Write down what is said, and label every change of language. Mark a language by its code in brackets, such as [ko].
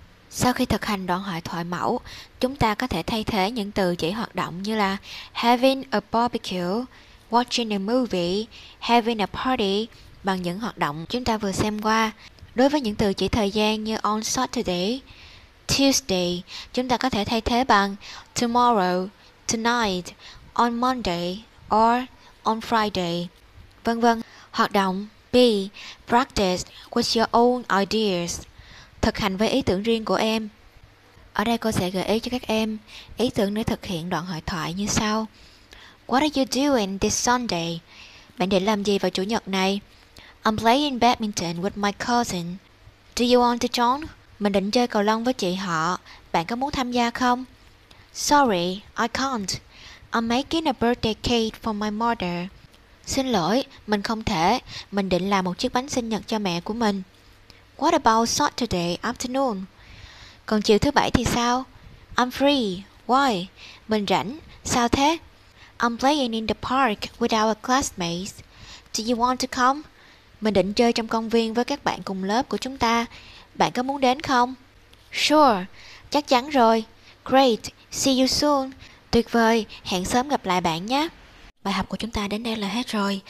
[vi] Sau khi thực hành đoạn hội thoại mẫu, chúng ta có thể thay thế những từ chỉ hoạt động như là [en] having a barbecue, watching a movie, having a party [vi] bằng những hoạt động chúng ta vừa xem qua. Đối với những từ chỉ thời gian như [en] on Saturday, Tuesday, [vi] chúng ta có thể thay thế bằng [en] tomorrow, tonight, on Monday or on Friday, [vi] vân vân. Hoạt động B. [en] Practice with your own ideas. [vi] Thực hành với ý tưởng riêng của em. Ở đây cô sẽ gợi ý cho các em ý tưởng để thực hiện đoạn hội thoại như sau. [en] What are you doing this Sunday? [vi] Bạn định làm gì vào chủ nhật này? [en] I'm playing badminton with my cousin. Do you want to join? [vi] Mình định chơi cầu lông với chị họ. Bạn có muốn tham gia không? [en] Sorry, I can't. I'm making a birthday cake for my mother. [vi] Xin lỗi, mình không thể. Mình định làm một chiếc bánh sinh nhật cho mẹ của mình. [en] What about Saturday afternoon? [vi] Còn chiều thứ bảy thì sao? [en] I'm free. Why? [vi] Mình rảnh. Sao thế? [en] I'm playing in the park with our classmates. Do you want to come? [vi] Mình định chơi trong công viên với các bạn cùng lớp của chúng ta. Bạn có muốn đến không? [en] Sure. [vi] Chắc chắn rồi. [en] Great. See you soon. [vi] Tuyệt vời. Hẹn sớm gặp lại bạn nhé. Bài học của chúng ta đến đây là hết rồi.